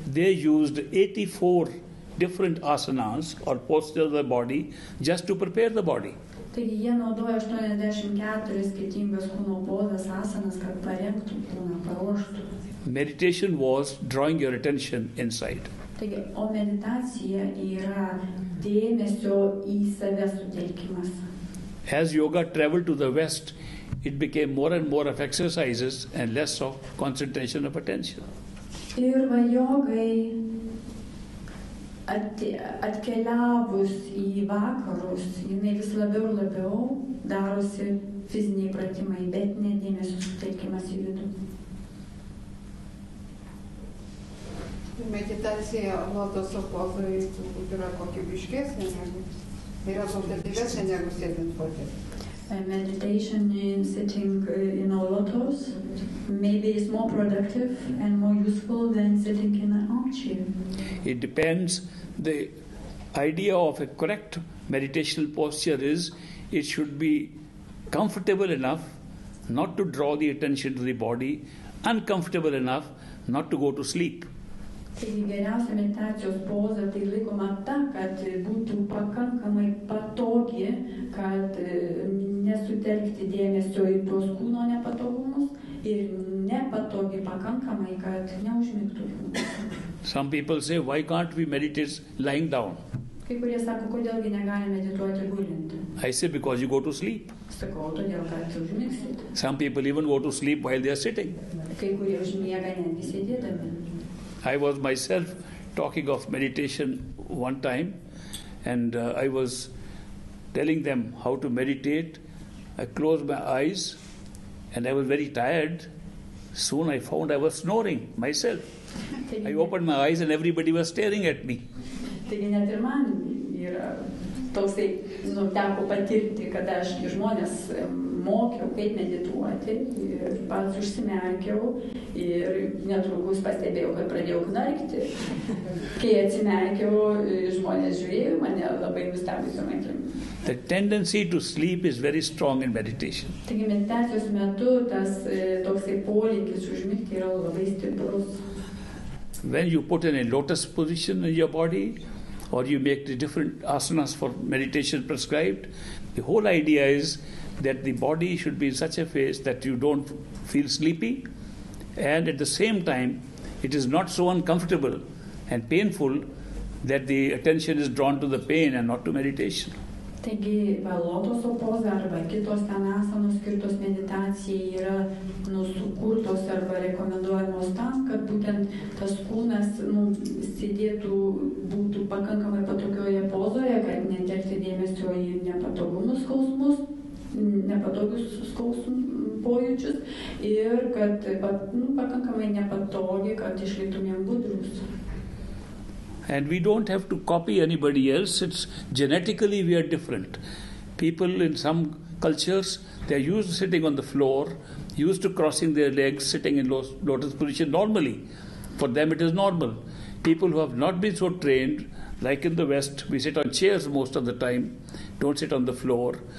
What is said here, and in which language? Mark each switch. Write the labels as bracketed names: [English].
[English] They used 84 different asanas or postures of the body just to prepare the body. [Lithuanian] Taigi jie naudoja 84 skirtingas kūno pozas, asanas, kad parengtų kūną, paruoštų. [English] Meditation was drawing your attention inside. [Lithuanian] Taigi, o meditacija yra dėmesio į save sutelkimas. [English] As yoga traveled to the West, it became more and more of exercises and less of concentration of attention. [Lithuanian] Ir va jogai atkeliavus į vakarus, jinai vis labiau ir labiau darosi fiziniai pratimai, bet ne dėmesio sutelkimas į vidų. Meditacija lotoso pozoje turbūt yra kokybiškesnė negu rezultatyvesnė negu sėdint fotelyje. [English] Meditation in sitting in a lotus maybe is more productive and more useful than sitting in an armchair. It depends. The idea of a correct meditational posture is it should be comfortable enough not to draw the attention to the body, uncomfortable enough not to go to sleep. [Lithuanian] Taigi geriausia meditacijos poza tai laikoma ta, kad būtų pakankamai patogi, kad nesutelkti dėmesio į tuos kūno nepatogumus ir nepatogi pakankamai, kad neužmigtų. [English] Some people say, why can't we meditate lying down? [Lithuanian] Kai kurie sako, kodėlgi negali medituoti gulinti. [English] I say, because you go to sleep. [Lithuanian] Sakau, todėl, kad užmigsite. [English] Some people even go to sleep while they are sitting. [Lithuanian] Kai kurie užmiega netgi sėdėdami. [English] I was myself talking of meditation one time and I was telling them how to meditate. I closed my eyes and I was very tired. Soon I found I was snoring myself. I opened my eyes and everybody was staring at me. [Lithuanian] Taigi net ir man yra toksai, nu, teko patirti, kada aš žmonės mokiau, kaip medituoti, ir pats užsimerkiau, ir netrukus pastebėjau, kad pradėjau knarkti. Kai atsimerkiau, žmonės žiūrėjo mane labai nustebusiom akim. [English] The tendency to sleep is very strong in meditation. [Lithuanian] Taigi meditacijos metu tas toksai polinkis užmigti yra labai stiprus. [English] When you put in a lotus position in your body, or you make the different asanas for meditation prescribed, the whole idea is that the body should be in such a phase that you don't feel sleepy, and at the same time, it is not so uncomfortable and painful that the attention is drawn to the pain and not to meditation. [Lithuanian] Taigi, va, lotoso poza arba kitos ten asanos skirtos meditacijai yra sukurtos arba rekomenduojamos tam, kad būtent tas kūnas sėdėtų, būtų pakankamai patogioje pozoje, kad netekti dėmesio į nepatogumus skausmus, nepatogius skausmų pojūčius ir kad pakankamai nepatogi, kad išlytumėm budrus. [English] And we don't have to copy anybody else. It's genetically we are different. People in some cultures, they are used to sitting on the floor, used to crossing their legs, sitting in lotus position normally. For them it is normal. People who have not been so trained, like in the West, we sit on chairs most of the time, don't sit on the floor.